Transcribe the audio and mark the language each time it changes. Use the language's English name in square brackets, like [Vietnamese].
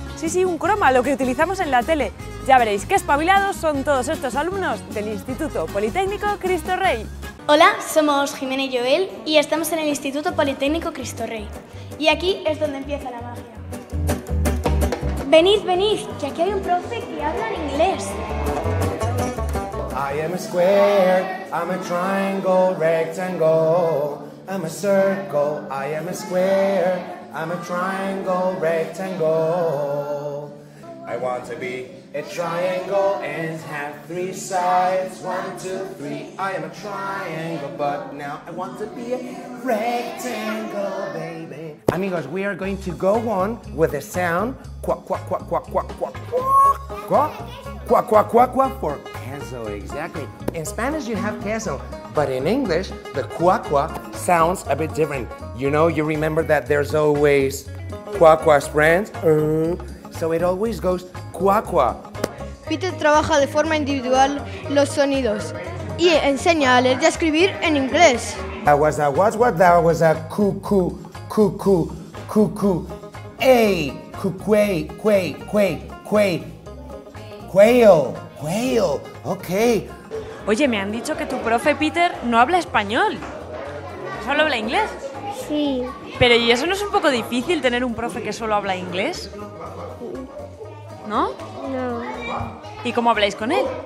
[Spanish] Sí, un croma, lo que utilizamos en la tele. Ya veréis qué espabilados son todos estos alumnos del Instituto Politécnico Cristo Rey. Hola, somos Jimena y Joel y estamos en el Instituto Politécnico Cristo Rey. Y aquí es donde empieza la magia. Venid, que aquí hay un profe que habla en inglés. [English] I am a square, I'm a triangle, rectangle. I'm a circle, I am a square. I'm a triangle rectangle. I want to be a triangle and have three sides. One, two, three. I am a triangle, but now I want to be a rectangle, baby. Amigos, we are going to go on with the sound quack, quack, quack, quack, quack, quack, quack, quack, quack, quack, quack, quack for queso, exactly. In Spanish, you have queso. But in English, the qua qua sounds a bit different. You know, you remember that there's always qua qua sprints. So it always goes qua qua. [Spanish] Peter trabaja de forma individual los sonidos y enseña a leer y a escribir en inglés. [English] That was a what? That was a cuckoo, cuckoo, cuckoo. A cuckway, quay, quay, quay. Quail, quail. Okay. [Spanish] Oye, me han dicho que tu profe Peter no habla español, solo habla inglés. Sí. Pero ¿y eso no es un poco difícil, tener un profe que solo habla inglés? Sí. ¿No? No. ¿Y cómo habláis con él?